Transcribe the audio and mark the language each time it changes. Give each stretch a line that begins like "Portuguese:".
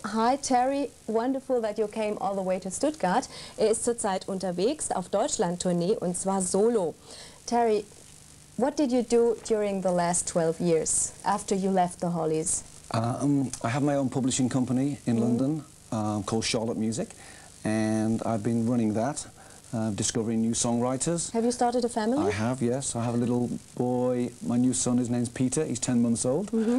English: Hi Terry, wonderful that you came all the way to Stuttgart.
German: Er ist zurzeit unterwegs auf Deutschland-Tournee und zwar solo.
English: Terry, what did you do during the last 12 years after you left the Hollies? I have my own publishing company in London called Charlotte Music, and I've been running that, discovering new songwriters. Have you started a family? I have, yes. I have a little boy. My new son, his name's Peter, he's 10 months old.